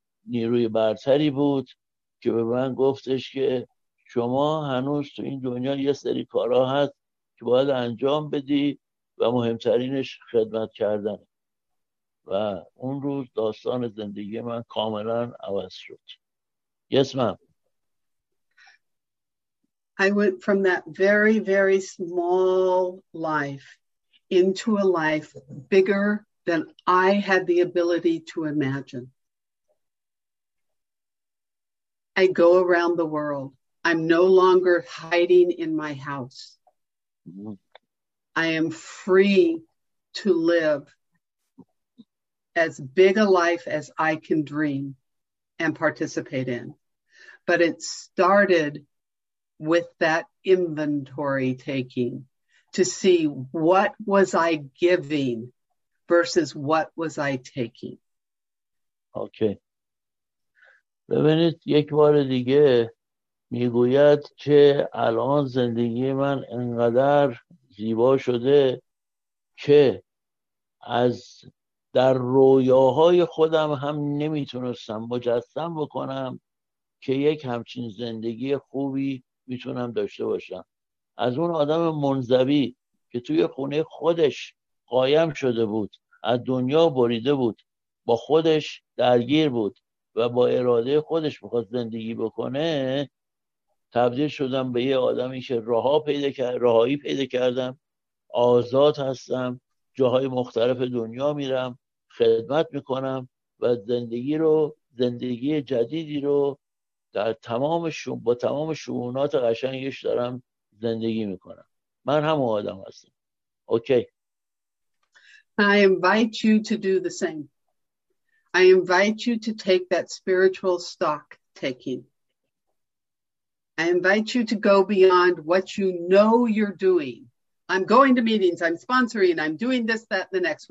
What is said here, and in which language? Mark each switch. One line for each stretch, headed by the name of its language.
Persian: نیروی برتری بود که به من گفتش که شما هنوز تو این دنیا یه سری کارا هست که باید انجام بدی و مهمترینش خدمت کردن. و اون روز داستان زندگی من کاملا عوض شد.
English: Yes, ma'am. I went from that very, very small life into a life bigger than I had the ability to imagine. I go around the world. I'm no longer hiding in my house. I am free to live as big a life as I can dream and participate in. But it started with that inventory taking to see what was I giving versus what was I taking. Okay.
Persian: ببینید یک بار دیگه میگوید که الان زندگی من انقدر زیبا شده که از در رویاهای خودم هم نمیتونستم مجسم بکنم که یک همچین زندگی خوبی میتونم داشته باشم. از اون آدم منزوی که توی خونه خودش قایم شده بود، از دنیا بریده بود، با خودش درگیر بود و با اراده خودش میخواد زندگی بکنه، تبدیل شدم به یه آدمی که رهایی پیدا کردم، آزاد هستم، جاهای مختلف دنیا میرم، خدمت میکنم و زندگی رو، زندگی جدیدی رو در تمام با تمام شعونات قشنگش دارم زندگی میکنم. من هم آدم هستم. اوکی.
English: I invite you to do the same. I invite you to take that spiritual stock taking. I invite you to go beyond what you know you're doing. I'm going to meetings, I'm sponsoring, I'm doing this, that, and the next.